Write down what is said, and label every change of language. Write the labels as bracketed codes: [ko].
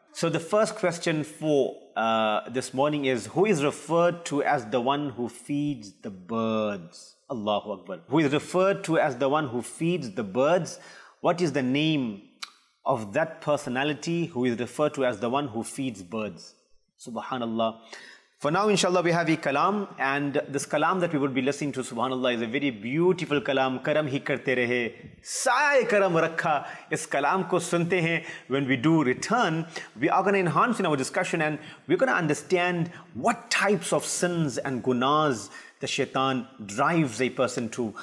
[en] So the first question for this morning is, who is referred to as the one who feeds the birds? [ar] اللہ اکبر. [en] Who is referred to as the one who feeds the birds? What is the name of that personality who is referred to as the one who feeds birds? [ar] Subhanallah. [en] For now, inshallah, we have a kalam, and this kalam that we would be listening to, subhanallah, is a very beautiful kalam. [ur] Karam hi karte rahe, saaye karam rakha. Is kalam ko sunte hain. [en] When we do return, we are going to enhance in our discussion, and we're going to understand what types of sins and gunas the shaitan drives a person to.